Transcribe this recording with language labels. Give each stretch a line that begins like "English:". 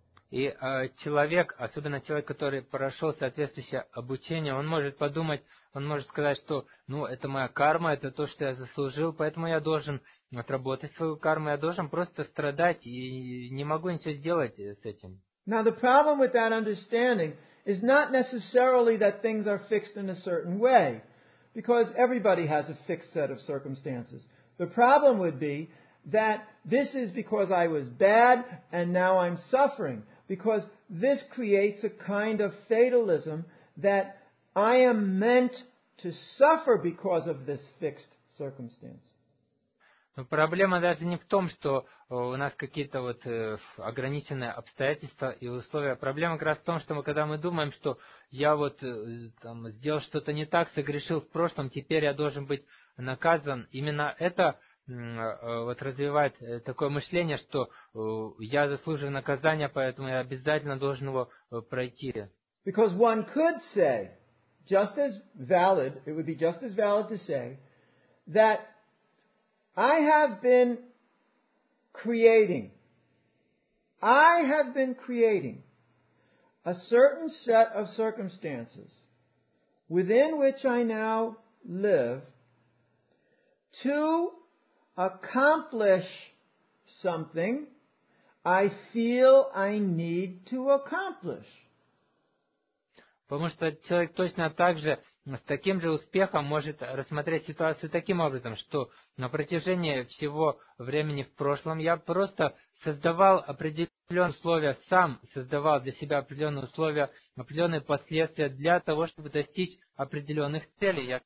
Russian: И человек, особенно человек, который прошел соответствующее обучение, он может подумать, он может сказать, что ну, это моя карма, это то, что я заслужил, поэтому я должен отработать свою карму, я должен просто страдать и не могу ничего сделать с этим.
English: Now the problem with that understanding is not necessarily that things are fixed in a certain way, because everybody has a fixed set of circumstances. The problem would be that this is because I was bad and now I'm suffering, because this creates a kind of fatalism that I am meant to suffer because of this fixed circumstance.
Russian: Но проблема даже не в том, что у нас какие-то вот ограниченные обстоятельства и условия. Проблема как раз в том, что когда мы думаем, что я вот там сделал что-то не так, согрешил в прошлом, теперь я должен быть наказан. Именно это вот развивает такое мышление, что я заслуживаю наказания, поэтому я обязательно должен его пройти.
English: Because one could say, just as valid, it would be just as valid to say, that I have been creating. I have been creating a certain set of circumstances within which I now live to accomplish something I feel I need to accomplish.
Russian: Потому что человек точно так же с таким же успехом может рассмотреть ситуацию таким образом, что на протяжении всего времени в прошлом я просто создавал определенные условия, сам создавал для себя определенные условия, определенные последствия для того, чтобы достичь определенных целей.